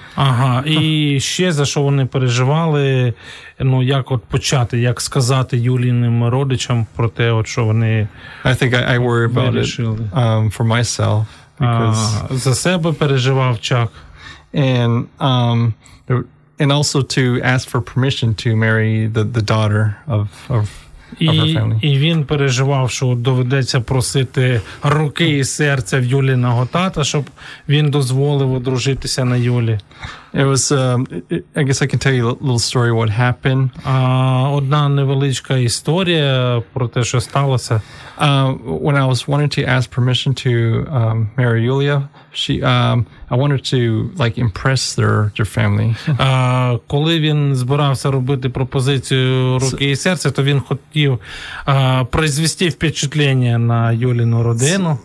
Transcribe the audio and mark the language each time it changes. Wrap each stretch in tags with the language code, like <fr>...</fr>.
<uk>Ага, і ще за що вони переживали, ну, як от почати, як сказати Юліним родичам про те, от що вони</uk> <en>вирішили. I think I worry about it for myself. Because...</en> <uk>За себе переживав Чак.</uk> <en>And also to ask for permission to marry the daughter of</en> <uk>І, і він переживав, що доведеться просити руки і серця в Юліного тата, щоб він дозволив одружитися на Юлі.</uk> <en>It was, I guess I can tell you a little story what happened.</en> <uk>Одна невеличка історія про те, що сталося.</uk> <en>When I was wanting to ask permission to marry Yulia, I wanted to like impress their family.</en> <uk>Коли він збирався робити пропозицію руки і серця, то він хотів произвести впечатлення на Юліну родину.</uk>